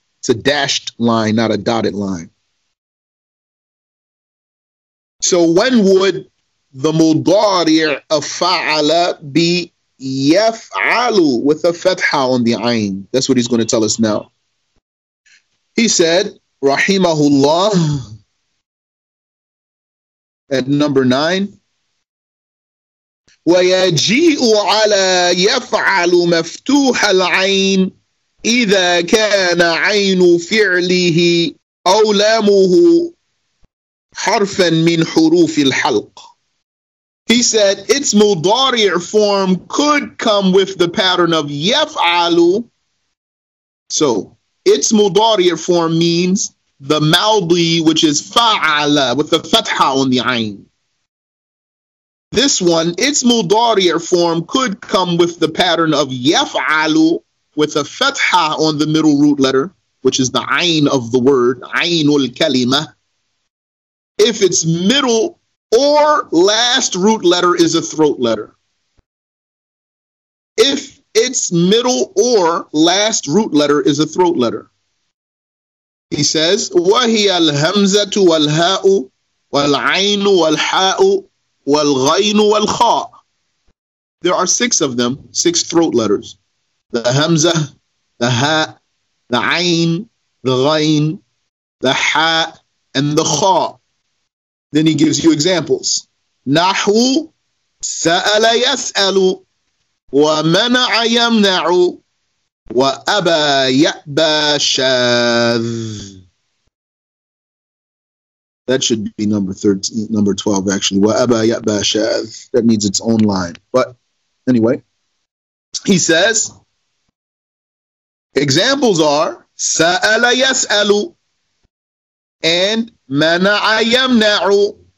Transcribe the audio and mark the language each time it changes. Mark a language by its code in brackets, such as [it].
[en] It's a dashed line, not a dotted line. So when would the mudari of fa'ala be yaf'alu with a fatha on the ayn? That's what he's going to tell us now. He said, rahimahullah, at number 9, [ar] وَيَجِيءُ عَلَى يَفْعَلُ مَفْتُوحَ الْعَيْنِ إِذَا كَانَ عَيْنُ فِعْلِهِ أَوْ لَامُهُ حَرْفًا مِنْ حُرُوفِ الْحَلْقِ. [en] He said its mudari form could come with the pattern of yaf'alu. So its mudari form means the maudi, which is fa'ala with the fatha on the ayn. This one, its mudari form could come with the pattern of yaf'alu with a fatha on the middle root letter, which is the ayn of the word, ayinul kalima. If its middle or last root letter is a throat letter. If its middle or last root letter is a throat letter. He says, [ar] وَهِيَ الْهَمْزَةُ وَالْهَاءُ وَالْعَيْنُ وَالْحَاءُ وَالْغَيْنُ وَالْخَاءُ. [en] There are six of them, six throat letters. The hamza, the ha, the ayn, the ghayn, the ha, and the kha. Then he gives you examples. [ar] نحو سأل يسأل ومنع يمنع وأبى يأبى شاذ. [en] That should be number 12, actually. [ar] وأبى يأبى شاذ. [en] That needs its own line. But anyway, he says, examples are سأل يسأل and مَنَعَ يَمْنَعُ.